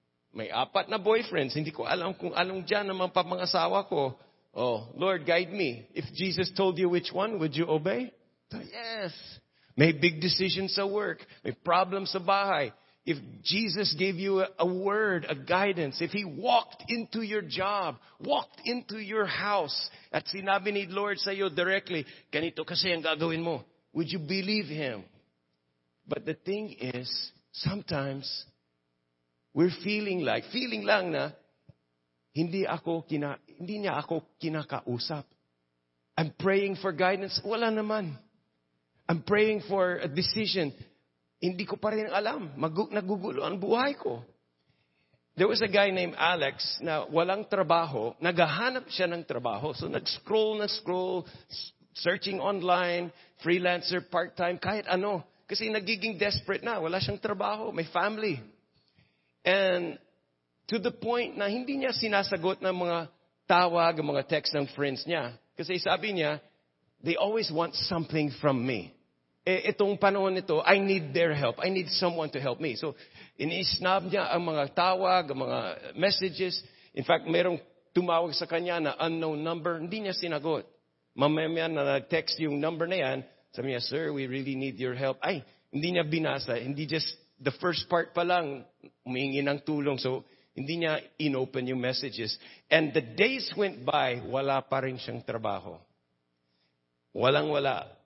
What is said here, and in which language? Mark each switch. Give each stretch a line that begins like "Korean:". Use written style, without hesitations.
Filipino: May apat na boyfriends, hindi ko alam kung anong dyan naman pa mga asawa ko.
English: Oh, Lord, guide me. If Jesus told you which one, would you obey? So, yes. May big decisions sa work. May problems sa bahay. If Jesus gave you a word, a guidance, if He walked into your job, walked into your house,
Filipino: at sinabi ni Lord sa'yo directly, ganito kasi ang gagawin mo,
English: would you believe Him? But the thing is, sometimes, we're feeling lang na,
Filipino: hindi niya ako kinakausap.
English: I'm praying for guidance.
Filipino: Wala naman.
English: I'm praying for a decision.
Filipino: Hindi ko pa rin alam. Nagugulo ang buhay ko.
English: There was a guy named Alex
Filipino: na walang trabaho. Naghahanap siya ng trabaho. So nag-scroll na scroll, searching online, freelancer, part-time, kahit ano. Kasi nagiging desperate na. Wala siyang trabaho. May family.
English: And to the point
Filipino: na hindi niya sinasagot ng mga tawag, mga text ng friends niya.
English: Kasi sabi niya, they always want something from me.
Filipino: Itong panahon nito,
English: I need their help. I need someone to help me.
Filipino: So, inisnab niya ang mga tawag, ang mga messages. In fact, merong tumawag sa kanya na unknown number. Hindi niya sinagot. mamaya na text yung number na yan. Sabi niya,
English: sir, we really need your help.
Filipino: Ay, hindi niya binasa. Hindi
English: just the first part
Filipino: pa lang umingi ng tulong. So, hindi niya inopen yung messages.
English: And the days went by,
Filipino: wala pa rin siyang trabaho. Walang-wala.